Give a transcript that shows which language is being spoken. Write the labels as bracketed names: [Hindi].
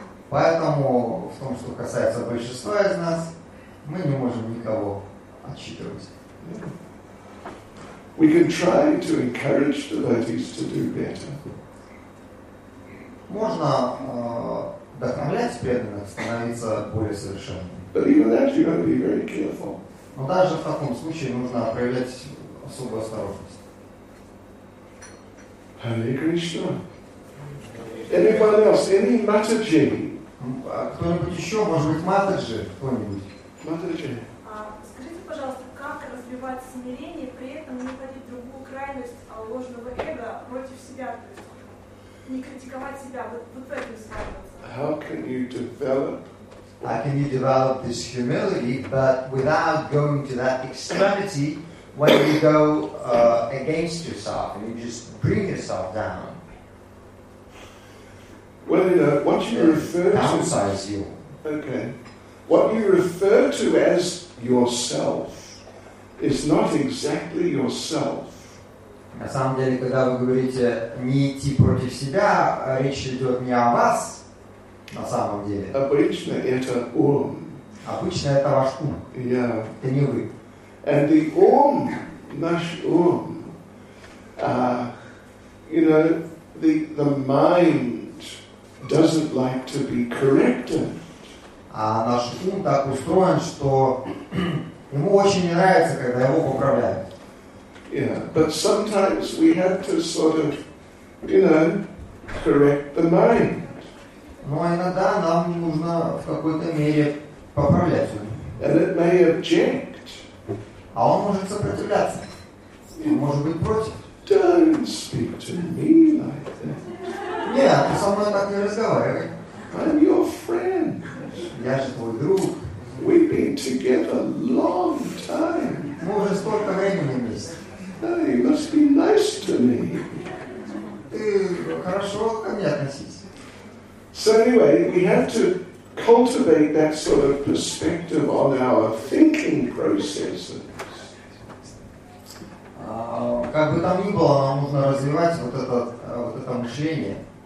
[Russian] Поэтому в том, что касается большинства из нас, мы не можем никого отчитывать. [English] We can try to encourage devotees to do better. [Russian] Можно вдохновлять преданных становиться более совершенными. [English] But even that you have to be very careful. [Russian] Но даже в таком случае нужно проявлять особую осторожность. [English] Hare Krishna. Anybody else? Any Mataji? [Russian] Кто-нибудь еще? Может быть, Матаджи? Кто-нибудь? Матаджи. Скажите, пожалуйста, как развивать смирение, при этом не вводить другую крайность ложного эго против себя? То есть не критиковать себя, вот в этом сравниваться. [English] How can you develop? How can you develop this humility, but without going to that extremity when you go against yourself and you just bring yourself down? Well, you know, what you refer to... Downsize you. Okay. What you refer to as yourself is not exactly yourself. [Russian] На самом деле, когда вы говорите «не идти против себя», речь идет не о вас. На самом деле. Обычно это ум. Обычно это ваш ум. [English] Yeah. [Russian] Это не вы. [English] And the [Russian] ум, наш ум, [English] you know, the mind doesn't like to be corrected. [Russian] А наш ум так устроен, что ему очень не нравится, когда его поправляют. [English] Yeah, but sometimes we have to sort of, you know, correct the mind. [Russian] Но иногда нам нужно в какой-то мере поправлять. [English] And it may object. [Russian] А он может сопротивляться. Он может быть против. [English] Don't speak to me like that. [Russian] Нет, ты со мной так не разговаривай. [English] I'm your friend. [Russian] Я же твой друг. [English] We've been together a long time. [Russian] Мы уже столько времени вместе. [English] Hey, you must be nice to me. [Russian] Ты хорошо ко мне относись. [English] So anyway, we have to cultivate that sort of perspective on our thinking processes. [Russian] Как бы там ни было, нам нужно развивать вот это мышление.